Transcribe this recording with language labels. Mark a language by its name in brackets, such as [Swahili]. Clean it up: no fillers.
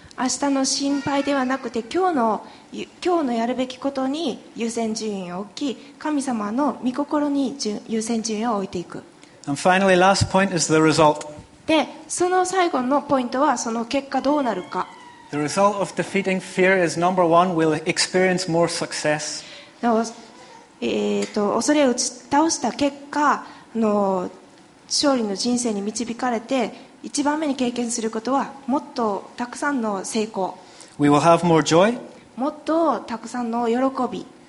[Japanese] 明日の心配ではなくて今日のやるべきことに優先順位を置き、神様の御心に優先順位を置いていく。 [English] And finally, last point is the result. [Japanese] で、その最後のポイントはその結果どうなるか。 [English] The result of defeating fear is number one. We'll experience more success. No. [Japanese] 恐れを打ち倒した結果の勝利の人生に導かれて一番目に経験することはもっとたくさんの成功。 [English] We will have more joy. [Japanese] もっとたくさんの喜び。